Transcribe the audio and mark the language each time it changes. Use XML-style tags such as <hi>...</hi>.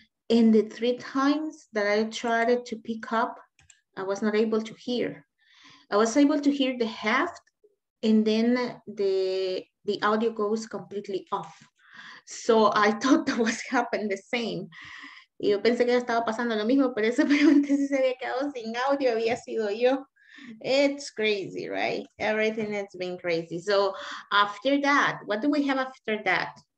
<en>And the 3 times that I tried to pick up, I was not able to hear. I was able to hear the half, and then the audio goes completely off. So I thought that was happening the same.</en> <es>Y yo pensé que estaba pasando lo mismo, pero eso pregunté si se había quedado sin audio, había sido yo.</es> <en>It's crazy, right? Everything has been crazy. So, after that, what do we have after that?</en>